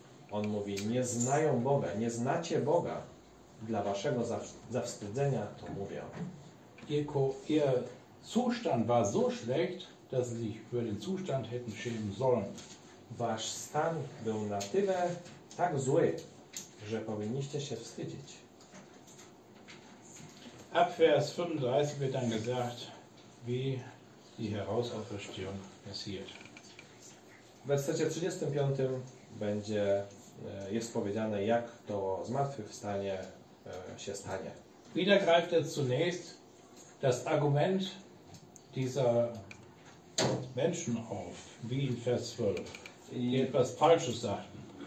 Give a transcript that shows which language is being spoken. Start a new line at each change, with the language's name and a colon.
Polish: On mówi, nie znają Boga, nie znacie Boga, dla waszego zawstydzenia to mówię.
German: Ihr Zustand war so schlecht, dass sie sich für den Zustand hätten schämen sollen.
Polish: Wasz stan był na tyle tak zły, że powinniście się wstydzić.
German: ab Vers 35 wird dann gesagt, wie die Herausauferstehung passiert.
Polish: W wersecie 35 będzie, jest powiedziane, jak to zmartwychwstanie się stanie.
German: Wieder greift zunächst das Argument dieser Menschen auf, wie in Vers 12, die etwas Falsches sagten.